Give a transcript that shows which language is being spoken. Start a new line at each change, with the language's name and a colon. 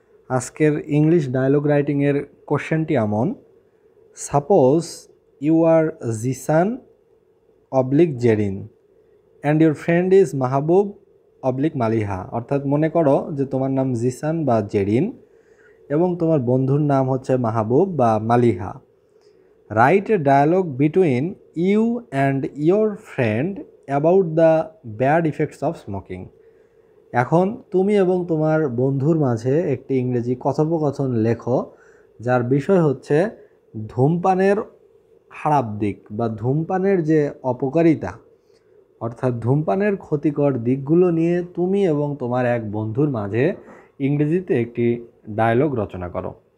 Bangla: আজকের English dialogue রাইটিংয়ের কোশ্চেনটি এমন,
English: Suppose you are Zisan oblique Zerin and your friend is Mahbub oblique Maliha.
Bangla: অর্থাৎ মনে করো যে তোমার নাম জিসান বা জেরিন এবং তোমার বন্ধুর নাম হচ্ছে মাহবুব বা Maliha.
English: Write a dialogue between you and your friend about the bad effects of smoking.
Bangla: এখন তুমি এবং তোমার বন্ধুর মাঝে একটি ইংরেজি কথোপকথন লেখো যার বিষয় হচ্ছে ধূমপানের খারাপ দিক বা ধূমপানের যে অপকারিতা, অর্থাৎ ধূমপানের ক্ষতিকর দিকগুলো নিয়ে তুমি এবং তোমার এক বন্ধুর মাঝে ইংরেজিতে একটি ডায়লগ রচনা করো।